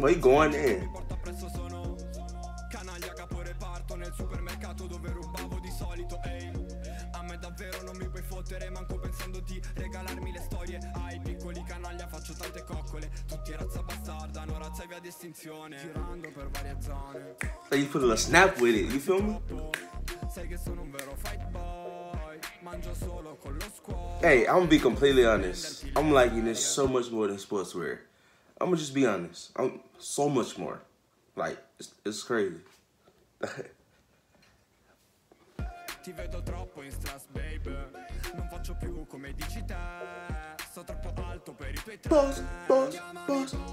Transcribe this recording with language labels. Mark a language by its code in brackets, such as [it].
[it] Ma iguane mi porto appresso, sono canaglia capo reparto nel supermercato dove rubavo di solito. Ehi, a me davvero non mi puoi fottere, manco pensando di regalarmi le storie ai piccoli canaglia, faccio tante coccole, tutti razza bastarda, non razza via di estinzione, girando per varie zone. [en] You put a little snap with it, you feel me? [it] Sai che sono un vero fight boy, mangio solo con lo squad. [en] Hey, I'm gonna be completely honest, I'm liking this so much more than sportswear. I'm gonna just be honest, I'm so much more. Like, it's crazy. [it] Ti vedo troppo in stress, babe. Non faccio più come dici te. Sto troppo alto per i tuoi trend. Boss.